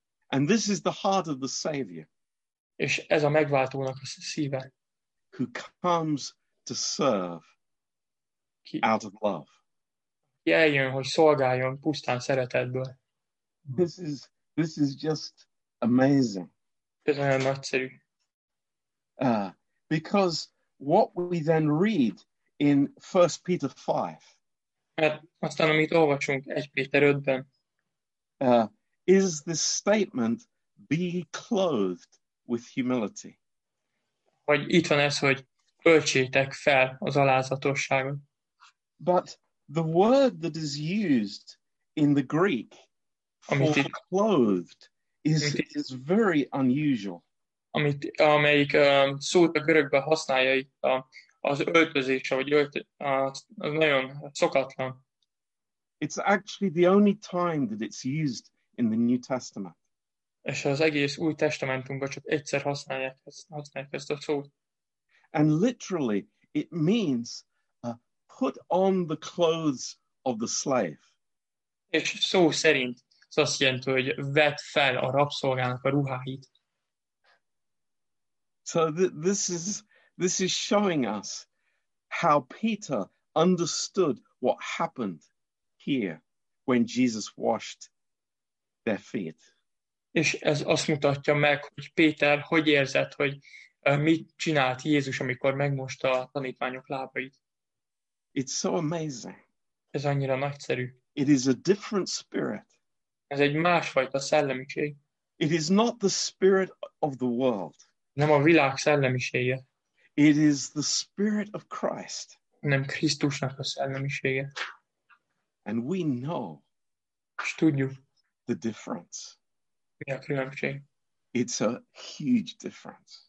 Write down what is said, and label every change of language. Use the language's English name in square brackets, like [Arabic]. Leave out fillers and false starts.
[English] And this is the heart of the Savior. [Hungarian] És ez a megváltónak a szíve. [English] Who comes to serve [Hungarian] ki, [English] out of love. [Hungarian] Ki eljön, hogy szolgáljon pusztán szeretetből. [English] This is just amazing. [Hungarian] Ez olyan nagyszerű. [English] Because what we then read in 1 Peter 5, [Hungarian] aztán, amit olvasunk 1 Péter 5-ben, [English] is this statement, be clothed with humility. [Hungarian] Vagy itt van ez, hogy öltsétek fel az alázatosságot. [English] But the word that is used in the Greek for [Hungarian] itt, [English] clothed is very unusual. [Hungarian] Amit, amelyik szót a görögben használja itt az öltözése, vagy az nagyon szokatlan. [English] It's actually the only time that it's used in the New Testament. [Hungarian] És az egész Új Testamentunkban csak egyszer használják ezt a szót. [English] And literally, it means put on the clothes of the slave. [Hungarian] És szó szerint ez azt jelenti, hogy vedd fel a rabszolgának a ruháit. [English] So this is showing us how Peter understood what happened here when Jesus washed their feet. [Hungarian] És ez azt mutatja meg, hogy Péter hogy érzett, hogy mit csinált Jézus, amikor megmosta a tanítványok lábait. [English] It's so amazing. [Hungarian] Ez annyira nagyszerű. [English] It is a different spirit. [Hungarian] Ez egy másfajta szellemiség. [English] It is not the spirit of the world. [Hungarian] Nem a világ szellemisége. [English] It is the spirit of Christ. [Hungarian] Nem Krisztusnak a szellemisége. [English] And we know. [Hungarian] És tudjuk. [English] The difference. [Hungarian] Mi a különbség. [English] It's a huge difference.